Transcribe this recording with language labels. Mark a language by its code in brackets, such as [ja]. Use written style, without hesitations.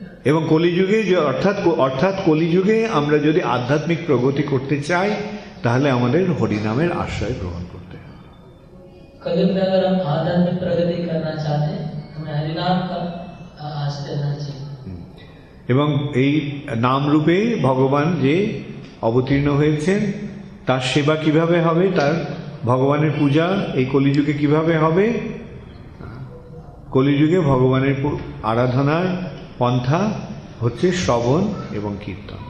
[bn] এবং কলিযুগে, অর্থাৎ কলিযুগে আমরা যদি আধ্যাত্মিক প্রগতি করতে চাই তাহলে আমাদের হরিনামের আশ্রয় গ্রহণ করতে হবে। [hi] कलयुग में अगर हम आध्यात्मिक प्रगति करना चाहते हैं हमें हरिनाम का आश्रय लेना चाहिए। [bn] এবং এই নাম রূপে ভগবান যে অবতীর্ণ হয়েছেন তার সেবা কিভাবে হবে, তার ভগবানের পূজা এই কলিযুগে কিভাবে হবে, কলিযুগে ভগবানের আরাধনার পন্থা হচ্ছে শ্রবণ এবং কীর্তন।